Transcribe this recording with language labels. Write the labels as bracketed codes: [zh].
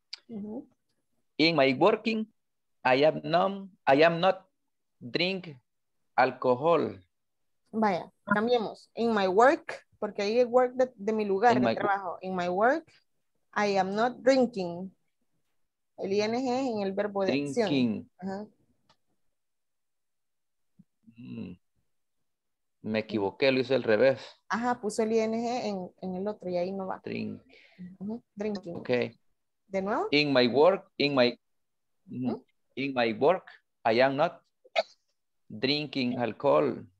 [en] Uh-huh. In my working, I am not drink alcohol. [es] Vaya, cambiemos. [en] In my work, [es] porque ahí es work de mi lugar, de trabajo. [en] In my work, I am not drinking. [es] El ing en el verbo de [en] drinking. [es] Acción. Drinking. Me equivoqué, lo hice al revés. Ajá, puso el ING en el otro y ahí no va. [en] Drink. Uh-huh. Drinking. Okay. [es] ¿De nuevo? [en] In my work, I am not drinking alcohol.